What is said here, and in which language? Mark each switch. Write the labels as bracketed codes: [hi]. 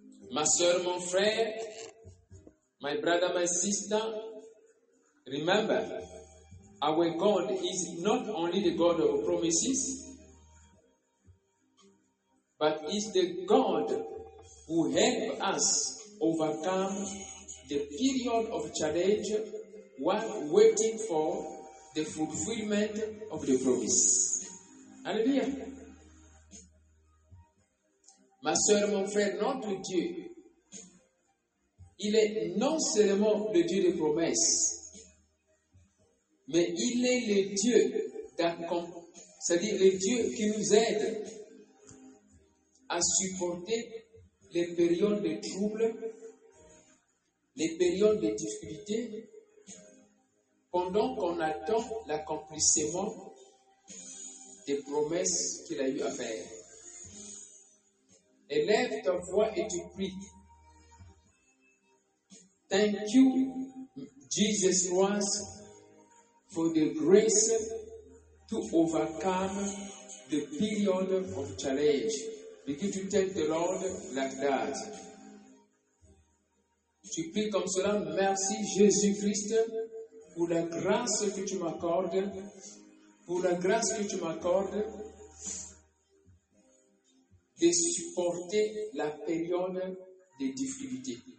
[fr] Ma soeur, mon frère, [en] my brother, my sister, remember, our God is not only the God of promises, but is the God who helps us overcome the period of challenge while waiting for the fulfillment of the promise. Hallelujah. [fr] Ma soeur, mon frère, notre Dieu, il est non seulement le Dieu des promesses, mais il est le Dieu d'accomplissement, c'est-à-dire le Dieu qui nous aide à supporter les périodes de troubles, les périodes de difficultés, pendant qu'on attend l'accomplissement des promesses qu'il a eu à faire. Élève ta voix et tu pries. [en] Thank you, Jesus Christ, for the grace to overcome the period of challenge. Begin to thank the Lord like that. [fr] Tu pries comme cela, merci Jésus-Christ pour la grâce que tu m'accordes, pour la grâce que tu m'accordes de supporter la période des difficultés.